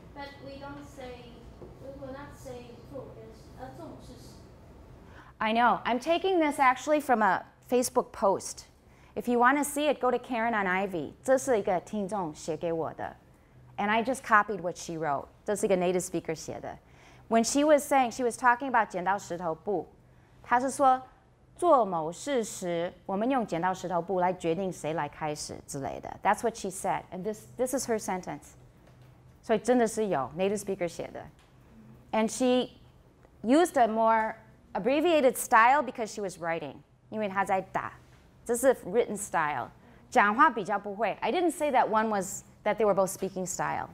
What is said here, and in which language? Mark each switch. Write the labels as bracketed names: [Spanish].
[English] But we don't say, we will not say [Chinese] 做某件事。 [English] I know. I'm taking this actually from a Facebook post. If you want to see it, go to Karen on Ivy. [Chinese] 这是一个听众写给我的. [English] And I just copied what she wrote. [Chinese] 这是一个native speaker写的. [English] When she was talking about 剪刀石头布, [Chinese] 她是说, 做某事时，我们用剪刀石头布来决定谁来开始之类的。 [English] That's what she said, and this is her sentence. [Chinese] 所以真的是有 native speaker 写的。 [English] And she used a more abbreviated style because she was writing. [Chinese] 因为她在打，这是 written style. 讲话比较不会。 [English] I didn't say that one was, that they were both speaking style.